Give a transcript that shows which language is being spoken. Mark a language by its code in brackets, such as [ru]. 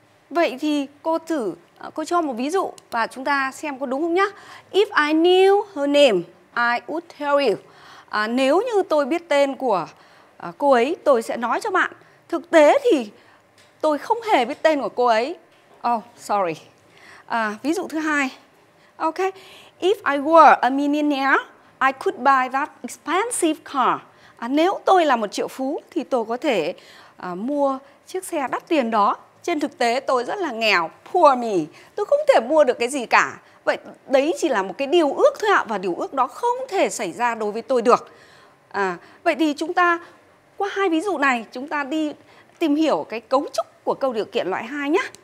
[vi] Vậy thì cô thử, cô cho một ví dụ và chúng ta xem có đúng không nhá. [en] If I knew her name, I would tell you. [vi] Nếu như tôi biết tên của cô ấy, tôi sẽ nói cho bạn. Thực tế thì tôi không hề biết tên của cô ấy. [en] Oh, sorry. [vi] Ví dụ thứ hai. Ok. [en] If I were a millionaire, I could buy that expensive car. [vi] Nếu tôi là một triệu phú, thì tôi có thể mua chiếc xe đắt tiền đó. Trên thực tế tôi rất là nghèo, [en] poor me, [vi] tôi không thể mua được cái gì cả. Vậy đấy chỉ là một cái điều ước thôi ạ, và điều ước đó không thể xảy ra đối với tôi được. Vậy thì chúng ta qua hai ví dụ này, chúng ta đi tìm hiểu cái cấu trúc của câu điều kiện loại 2 nhé.